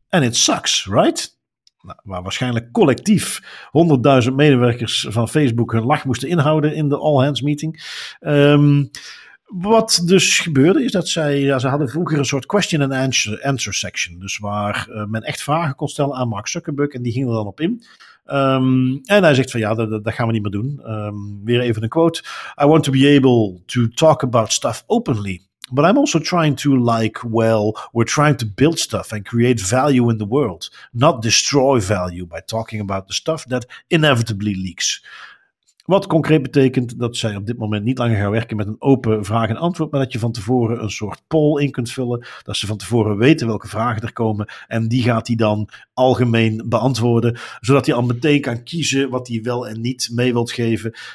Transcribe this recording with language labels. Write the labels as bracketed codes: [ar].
[en] And it sucks, right? [nl] Nou, waar waarschijnlijk collectief 100.000 medewerkers van Facebook hun lach moesten inhouden in de all hands meeting. Wat dus gebeurde is dat ze hadden vroeger een soort question and answer section. Dus waar men echt vragen kon stellen aan Mark Zuckerberg en die ging er dan op in. En hij zegt van dat gaan we niet meer doen. Weer even een quote. [en] I want to be able to talk about stuff openly. But I'm also trying to we're trying to build stuff and create value in the world. Not destroy value by talking about the stuff that inevitably leaks. [nl] Wat concreet betekent dat zij op dit moment niet langer gaan werken met een open vraag en antwoord, maar dat je van tevoren een soort poll in kunt vullen, dat ze van tevoren weten welke vragen er komen en die gaat hij dan algemeen beantwoorden, zodat hij al meteen kan kiezen wat hij wel en niet mee wilt geven.